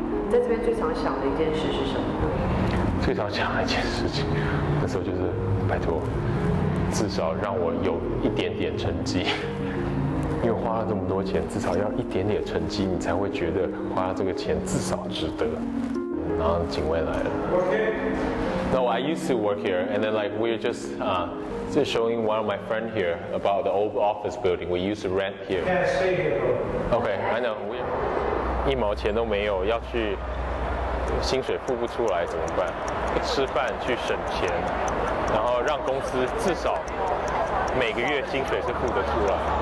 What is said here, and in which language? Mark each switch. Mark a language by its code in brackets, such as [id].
[zh] 在这边最常想的一件事是什么？最常想的一件事情，那时候就是拜托，至少让我有一点点成绩，因为花了这么多钱，至少要一点点成绩，你才会觉得花了这个钱至少值得。然后警卫来了。 [en] No, I used to work here, and then like we're just just showing one of my friend here about the old office building we used to rent here. Yeah, stay here. Okay, I know. [zh] 一毛钱都没有，要去薪水付不出来怎么办？吃饭去省钱，然后让公司至少每个月薪水是付得出来。